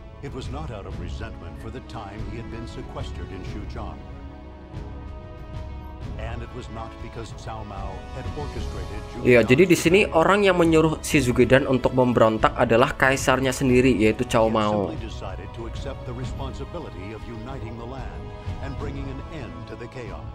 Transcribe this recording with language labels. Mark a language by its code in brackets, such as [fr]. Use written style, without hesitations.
[en] It was not out of resentment for the time he had been sequestered in Xuchang. And it was not because Cao Mao had orchestrated. [id] Iya, jadi di sini orang yang menyuruh si Zugedan untuk memberontak adalah kaisarnya sendiri, yaitu Cao Mao. [en] He decided to accept the responsibility of uniting the land and bringing an end to the chaos.